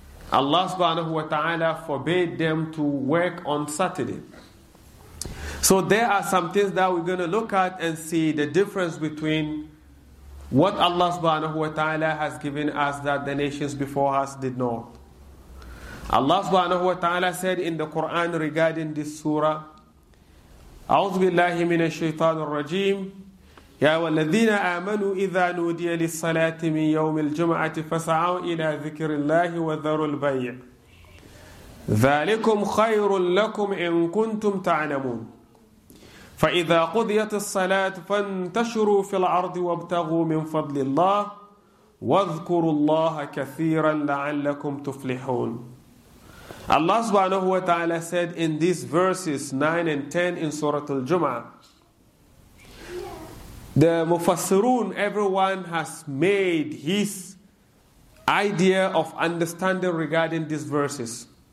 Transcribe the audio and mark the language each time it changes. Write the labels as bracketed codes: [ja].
[en] Allah subhanahu wa ta'ala forbade them to work on Saturday. So there are some things that we're going to look at and see the difference between what Allah subhanahu wa ta'ala has given us that the nations before us did not. Allah subhanahu wa ta'ala said in the Quran regarding this surah, [ar] أعوذ بالله من الشيطان الرجيم يا والذين آمنوا إذا نودي للصلاة من يوم الجمعة فسعوا إلى ذكر الله وذروا البيع ذلكم خير لكم إن كنتم تعلمون فإذا قضيت الصلاة فانتشروا في الأرض وابتغوا من فضل الله واذكروا الله كثيرا لعلكم تفلحون. [en] Allah subhanahu wa ta'ala said in these verses 9 and 10 in Surah Al-Jum'ah, the Mufassirun, everyone has made his idea of understanding regarding these verses.